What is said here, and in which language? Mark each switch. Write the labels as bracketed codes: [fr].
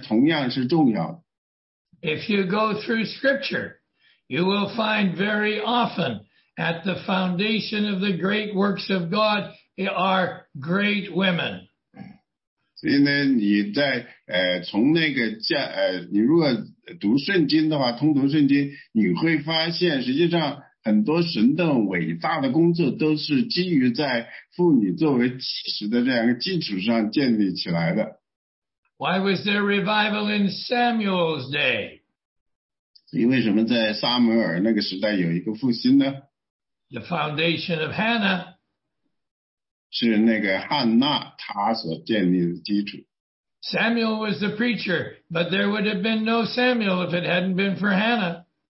[zh] 讲话，然后呢，就是做决定。那么妇女的角色在教会里呢，她就是支持，作为教会的基础基石，两样呢，同样是重要的。 [en] If you go through scripture, you will find very often at the foundation of the great works of God are great women. [zh] 所以呢，你在从那个教，你如果读圣经的话，通读圣经，你会发现，实际上很多神的伟大的工作都是基于在妇女作为基石的这样一个基础上建立起来的。 [en] Why was there revival in Samuel's day? [zh] 因为什么在撒母耳那个时代有一个复兴呢？ [en] The foundation of Hannah. [zh] 是那个汉娜她所建立的基础。 [en] Samuel was the preacher, but there would have been no Samuel if it hadn't been for Hannah.